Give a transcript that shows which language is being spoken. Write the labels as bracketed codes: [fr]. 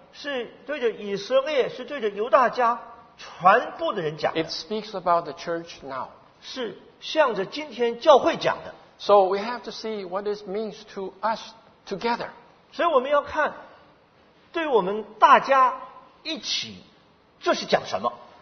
[zh] 是对着以色列，是对着犹大家传播的人讲的。 [en] It speaks about the church now. [zh] 是向着今天教会讲的。 [en] So we have to see what it means to us together. [zh] 所以我们要看，对我们大家一起，这是讲什么。